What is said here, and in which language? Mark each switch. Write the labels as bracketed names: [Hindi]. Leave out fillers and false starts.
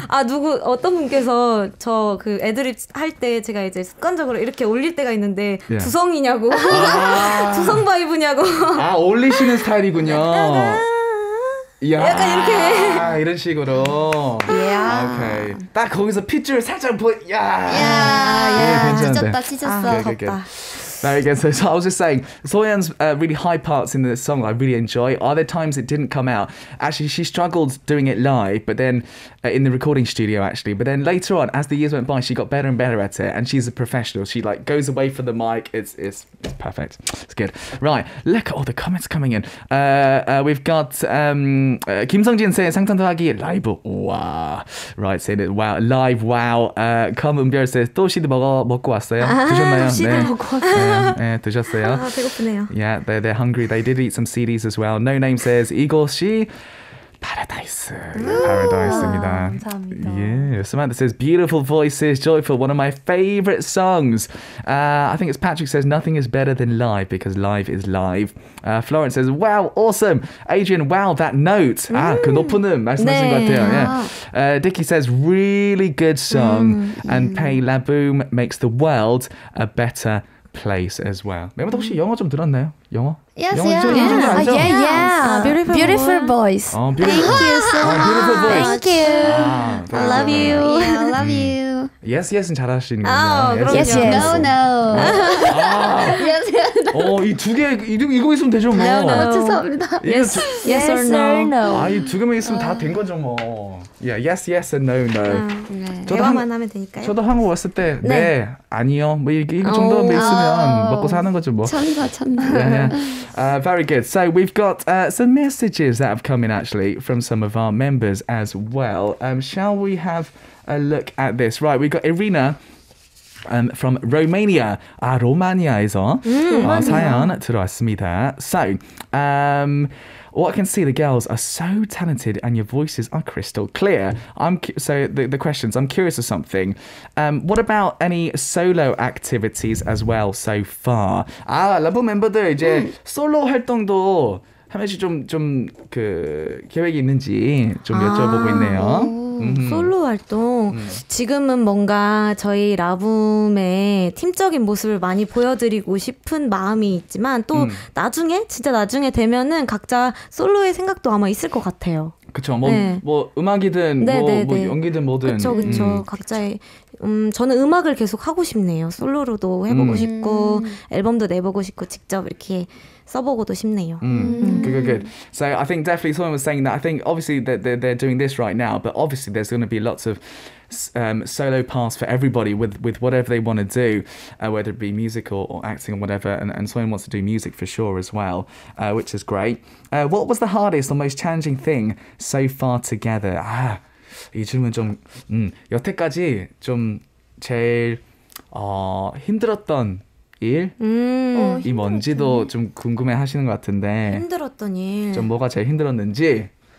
[Korean] 아 누구 어떤 분께서 저 그 애드립 할 때 제가 이제 습관적으로 이렇게 올릴 때가 있는데 두성이냐고 두성 바이브냐고 아 올리시는 스타일이군요. 야, 약간 이렇게 이런 식으로 오케이. 딱 거기서 핏줄 살짝 보 야, 야, 야. 네, 찢었다 찢었어 아, 덥다 [English] Very good. So, so I was just saying, Soyeon's really high parts in the song I really enjoy. Are there times it didn't come out? Actually, she struggled doing it live, but then in the recording studio, actually. But then later on, as the years went by, she got better and better at it. And she's a professional. She like goes away from the mic. It's perfect. It's good. Right. Look at all the comments coming in. We've got Kim Sung-jin saying, [Korean] 상상도하기 라이브. [English] Wow. Right. Saying it. Wow. Live. Wow. Kam Eun-byul says, [Korean] 또 시드 먹고 왔어요. 드셨나요? 시드 먹고 왔어요. 네, 네, 드셨어요. 아, 배고프네요. [English] Yeah, they're hungry. They did eat some CDs as well. No Name says, [Korean] 이거 씨, [English] Paradise. [Korean] Paradise입니다. 감사합니다. [English] Yeah, Samantha says, beautiful voices, joyful, one of my favorite songs. I think it's Patrick says, nothing is better than live, because live is live. Florence says, wow, awesome. Adrian, wow, that note. [Korean] 아, 그 높은 음, 말씀하신 네. 것 같아요. [English] Yeah. Dickie says, really good song. And Pei Laboum makes the world a better place as well. [Korean] 멤버 혹시 영어 좀 들었나요? 영어? [English] Yes, [Korean] 영어 [English] yeah. [Korean] 좀, [English] yeah. [Korean] 영어 [English] yeah, yeah. Beautiful, beautiful voice. Oh, beautiful. Thank you so much. Oh, beautiful voice. Thank you. Ah, I love you. Yeah, I love you. Yes, yes [Korean] 은 잘하시는 거예요. [English] Yes, yes. No, no. Yes, yes. [Korean] 어, 이 두 개 이거 있으면 되죠, 뭐. [English] No, no. [Korean] 죄송합니다. [English] Yes, yes or no. [Korean] 아, 이 두 개만 있으면 다 된 거죠, 뭐. [English] Yeah, yes, yes and no, no. [Korean] 네. 저도 한국만 하면 되니까요. 저도 한국 왔을 때 네, 아니요. 뭐 이거 정도 있으면 먹고 사는 거죠, 뭐. 참나, 참나. [English] Very good. So we've got some messages that have come in actually from some of our members as well. Shall we have a look at this? Right, we've got Irina from Romania. [Korean] 아, 로마니아에서 사연 들어왔습니다. [English] So, what I can see, the girls are so talented and your voices are crystal clear. So the questions, I'm curious of something. What about any solo activities as well so far? [Korean] 아, 라보 멤버들 이제 솔로 활동도 한 번씩 좀 계획이 있는지 좀 여쭤보고 있네요. 솔로 활동 지금은 뭔가 저희 라붐의 팀적인 모습을 많이 보여드리고 싶은 마음이 있지만 또 나중에 진짜 나중에 되면은 각자 솔로의 생각도 아마 있을 것 같아요. 그렇죠. 뭐, 네. 뭐 음악이든 뭐 연기든 뭐든 그렇죠. 그렇죠. 각자의 저는 음악을 계속 하고 싶네요. 솔로로도 해보고 싶고 앨범도 내보고 싶고 직접 이렇게 써보고도 싶네요. [English] Good, good, good. So I think definitely someone was saying that. I think obviously that they're doing this right now, but obviously there's going to be lots of solo paths for everybody with whatever they want to do, whether it be music or acting or whatever. And someone wants to do music for sure as well, which is great. What was the hardest or most challenging thing so far together? [Korean] 아, 이 질문 좀 여태까지 좀 제일 힘들었던 일? 이 뭔지도 좀 궁금해 하시는 것 같은데 힘들었던 일 좀 뭐가 제일 힘들었는지